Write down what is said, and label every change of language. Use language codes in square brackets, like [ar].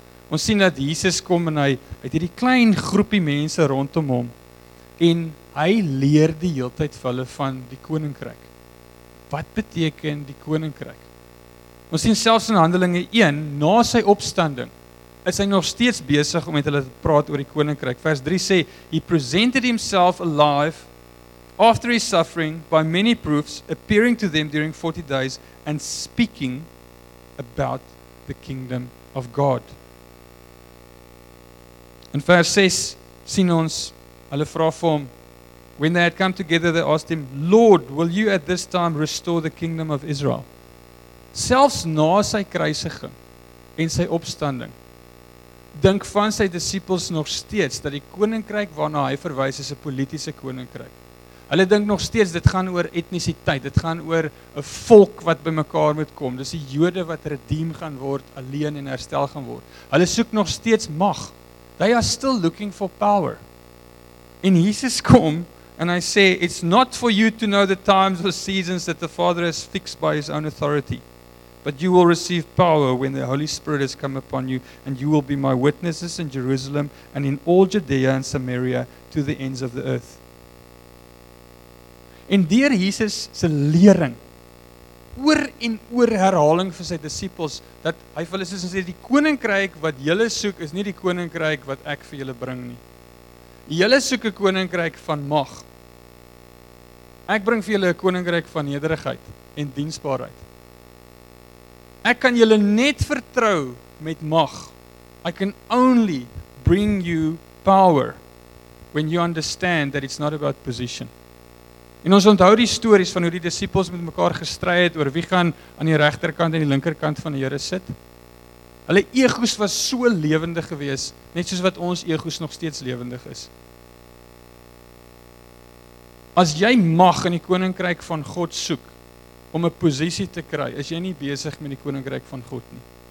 [af] Ons sien dat Jesus kom en hy het hierdie klein groepie mense rondom hom en hy leer die heeltyd vir hulle van die koninkryk. Wat beteken die koninkryk? Ons sien selfs in Handelinge 1, na sy opstanding, is hy nog steeds besig om met hulle te praat oor die koninkryk. Vers 3 sê, [en] he presented himself alive after his suffering by many proofs, appearing to them during 40 days and speaking about the kingdom of God. [af] In vers 6 sien ons, hulle vra vir hom, [en] when they had come together, they asked him, Lord, will you at this time restore the kingdom of Israel? [af] Selfs na sy kruisiging en sy opstanding, dink van sy disippels nog steeds dat die koninkryk waarna hy verwys is 'n politieke koninkryk. Hulle dink nog steeds dit gaan oor etnisiteit, dit gaan oor 'n volk wat bymekaar moet kom. Dis die Jode wat redeem gaan word, alleen en herstel gaan word. Hulle soek nog steeds mag. [en] They are still looking for power. [af] En Jesus kom [en] and I say, it's not for you to know the times or seasons that the Father has fixed by his own authority. But you will receive power when the Holy Spirit has come upon you, and you will be my witnesses in Jerusalem and in all Judea and Samaria to the ends of the earth. [af] En deur Jesus se lering oor en oor herhaling vir sy disippels dat hy vir hulle sê die koninkryk wat julle soek is nie die koninkryk wat ek vir julle bring nie. Julle soek 'n koninkryk van mag. Ek bring vir julle 'n koninkryk van nederigheid en diensbaarheid. Ek kan julle net vertrou met mag. [en] I can only bring you power when you understand that it's not about position. [af] En ons onthou die stories van hoe die disippels met mekaar gestry het oor wie gaan aan die regterkant en die linkerkant van die Here sit. Hulle egos was so lewendig geweest, net soos wat ons egos nog steeds lewendig is. As jy mag in die koninkryk van God soek om 'n posisie te kry, is jy nie besig met die koninkryk van God nie.